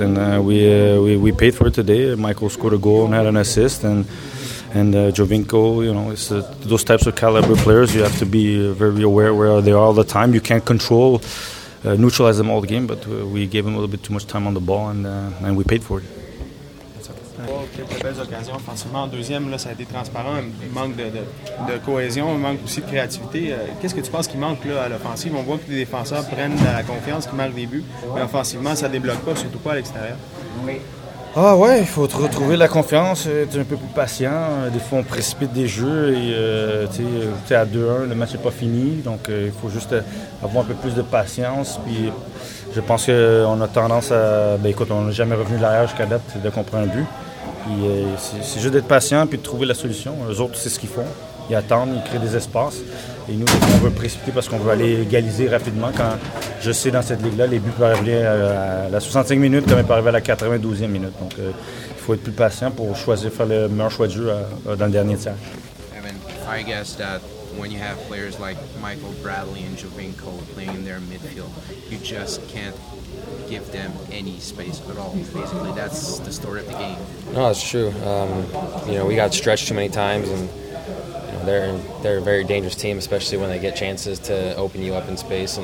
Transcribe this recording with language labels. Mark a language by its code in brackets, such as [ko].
[en] And we paid for it today. Michael scored a goal and had an assist, and Jovinko, it's those types of caliber players. You have to be very aware where they are all the time. You can't control, neutralize them all the game, but we gave them a little bit too much time on the ball, and we paid for it. [fr] Quelques belles occasions offensivement. En deuxième, là, ça a été transparent. Un manque de cohésion, un manque aussi de créativité. Qu'est-ce que tu penses qui manque là, à l'offensive? On voit que les défenseurs prennent la confiance, qui marquent des buts, mais offensivement, ça ne débloque pas, surtout pas à l'extérieur. Ah ouais, il faut retrouver la confiance, être un peu plus patient. Des fois, on précipite des jeux et tu es à 2-1, le match n'est pas fini. Donc, il faut juste avoir un peu plus de patience. Puis, je pense qu'on a tendance à. Ben, écoute, on n'est jamais revenu de l'arrière jusqu'à date dès qu'on prend un but. Puis, c'est juste d'être patient et de trouver la solution. Eux autres, c'est ce qu'ils font. ils attendent, ils créent des espaces. Et nous, on veut précipiter parce qu'on veut aller égaliser rapidement. Quand je sais, dans cette ligue-là, les buts peuvent arriver à la 65e minute comme ils peuvent arriver à la 92e minute. Donc, il faut être plus patient pour choisir, faire le meilleur choix de jeu dans le dernier tiers. [en] Evan, I guess that when you have players like Michael Bradley and Jovinko playing in their midfield, you just can't give them any space at all. Basically, that's the story of the game. No, that's true. You know, we got stretched too many times, and you know, they're a very dangerous team, especially when they get chances to open you up in space.